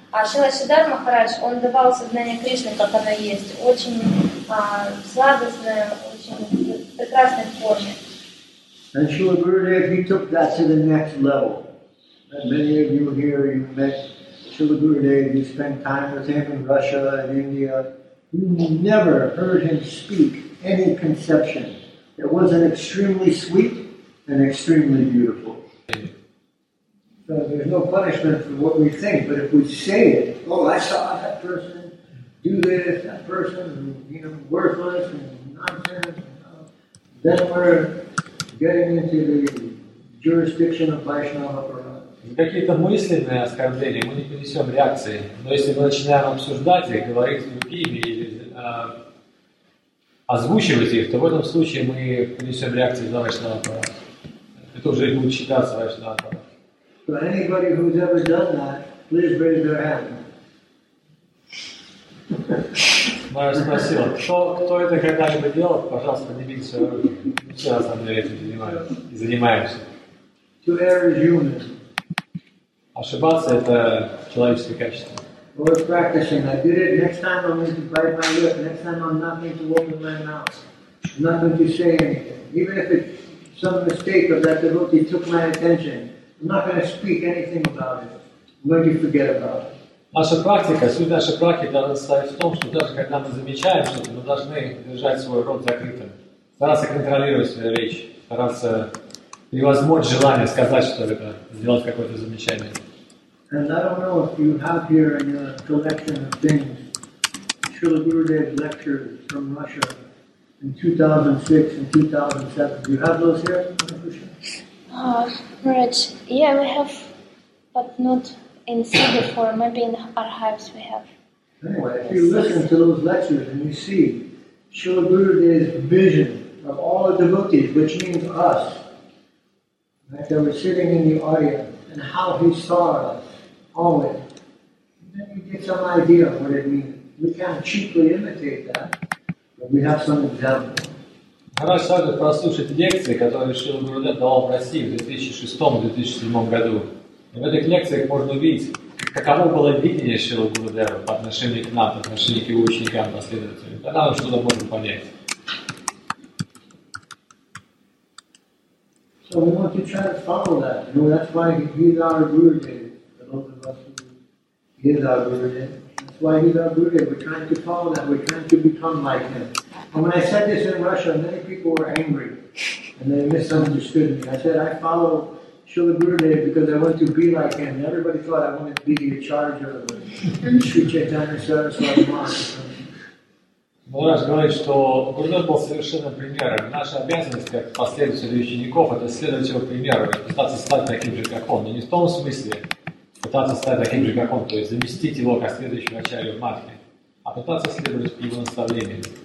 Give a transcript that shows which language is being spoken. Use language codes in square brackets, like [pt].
[ru] А Шрила Сиддхартха Махарадж, он давал сознание Кришны, как оно есть, очень сладостное, очень прекрасной форме. [en] And Śrīla Gurudeva, he took that to the next level. And many of you here, you met Śrīla Gurudeva, you spent time with him in Russia and India. You never heard him speak any conception. It was an extremely sweet and extremely beautiful. So there's no punishment for what we think, but if we say it, oh, I saw that person do this, that person, you know, worthless and nonsense, you know, then we're getting into the jurisdiction of Vaishnava Prabhupada. [ru] Какие-то мысленные оскорбления, мы не понесем реакции. Но если мы начинаем обсуждать их, говорить другими или озвучивать их, то в этом случае мы понесем реакции за Vaishnava Prabhupada. Это уже будет считаться Vaishnava Prabhupada. [en] So anybody who's ever done that, please raise their hand. [ru] Майя спросила, кто это когда-либо делал, пожалуйста, поднимите свою руку. Сейчас мы этим занимаемся. [en] To err is human. [ru] Ошибаться – это человеческое качество. [en] Worth practicing. I did it. Next time I'm going to bite my lip. Next time I'm not going to open my mouth. I'm not going to say anything. Even if it's some mistake of that devotee took my attention, I'm not going to speak anything about it. I'm going to forget about it. [ru] Наша практика, суть нашей практики должна состоять в том, что даже когда мы замечаем что-то, мы должны держать свой рот закрытым, стараться контролировать свою речь, стараться превозмочь желание сказать что-либо, сделать какое-то замечание. [en] And I don't know if you have here in your collection of things Śrīla Gurudeva's lectures from Russia in 2006 and 2007. Do you have those here? Yeah, we have, but not in CD form, maybe in archives we have. Anyway, if you listen to those lectures and you see Śrīla Gurudeva's vision of all the devotees, which means us, right, that were sitting in the audience, and how he saw us always, some idea of what it means. We can't cheaply imitate that, but we have some examples. [ru] Хорошо, надо прослушать лекции, которые Шрила Гурудев давал в России в 2006-2007 году. И в этих лекциях можно увидеть, каково было видение Шрила Гурудева по отношению к нам, по отношению к его ученикам, последователям. Тогда мы что-то можем понять. [en] So we want to try to follow that. You know, that's why he's our Gurudev. The most of us, he is our Gurudev. That's why he's our Gurudev. We're trying to follow that. We're trying to become like him. And when I said this in Russia, many people were angry and they misunderstood me. I said, I follow Srila Gurudev because I want to be like him. And everybody thought I wanted to be the charge of the Sri Chaitanya Saraswati Maharaj. [ru] Maharaj говорит, что Гурудев был совершенным примером. Наша обязанность как последователей учеников — это следовать его примеру, пытаться стать таким же, как он. Но не в том смысле пытаться стать таким же, как он, то есть заместить его как следующего ачарью в Матхе, а пытаться следовать его наставлениям.